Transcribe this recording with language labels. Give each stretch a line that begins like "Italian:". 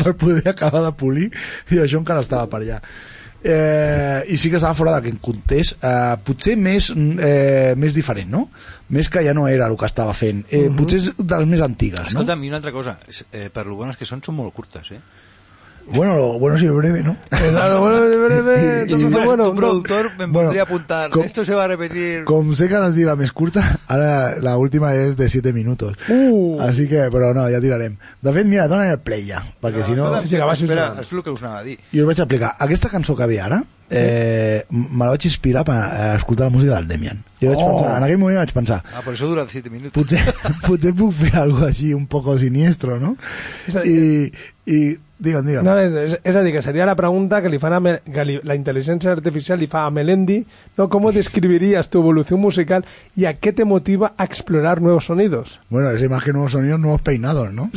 Catalan: Per poder acabar de polir, i això encara estava per allà. I sí que estava fora d'aquest context, potser més diferent, no? Més que ja no era el que estava fent, potser és de les més antigues. Escolta, no? I una altra cosa, per lo bones que són molt curtes,
Spanish: Bueno, lo bueno si es breve, ¿no? Claro, bueno si es breve. Tu productor me podría apuntar. Com, esto se va a repetir.
Catalan: Com sé que has dit la més curta, ara la última és de 7 minuts.
Spanish: Así que,
Catalan: però no, ja tirarem. De fet, mira, dona el play ja, perquè no, si no... Espera, és el que us anava a dir. I us vaig explicar. Aquesta cançó que ve ara, me la vaig inspirar per escoltar la música del Demian. Jo vaig pensar, en aquell moment vaig pensar... Ah, però això dura 7 minuts. Potser puc fer algo així
Spanish: un poco siniestro,
Catalan: no? I... Digue'm. No, és a dir, que seria la pregunta que li fan a la intel·ligència artificial li fa a Melendi, no?
Spanish: ¿Cómo describirías tu evolución musical y a qué te motiva a explorar nuevos sonidos? Bueno, es más que nuevos sonidos, nuevos peinados, ¿no?